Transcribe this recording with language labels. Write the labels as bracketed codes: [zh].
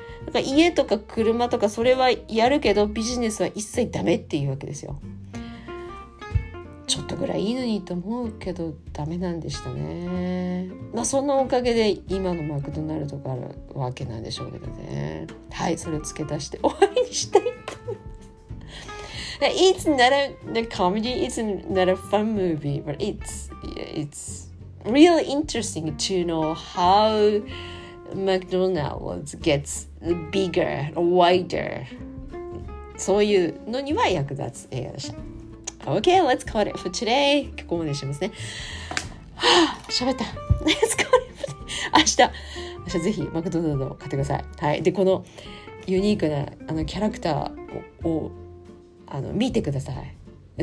[ja] だから家とか車とかそれはやるけど、ビジネスは一切ダメっていうわけですよ。ちょっとぐらいいいのにと思うけど、ダメなんでしたね。まあそのおかげで今のマクドナルドがあるわけなんでしょうけどね。はい、それを付け足して終わりにしたいと思います。 [en] It's not a comedy, it's not a fun movie, but it's really interesting to know how McDonald's gets bigger, wider. [ja] そういうのには役立つ映画でした。 [en] Okay, let's call it for today. [ja] ここまでしますね。はぁ、喋った。 [en] Let's call it for today. [ja] 明日ぜひ McDonald's を買ってください。はい。で、このユニークなあのキャラクターをあの見てください。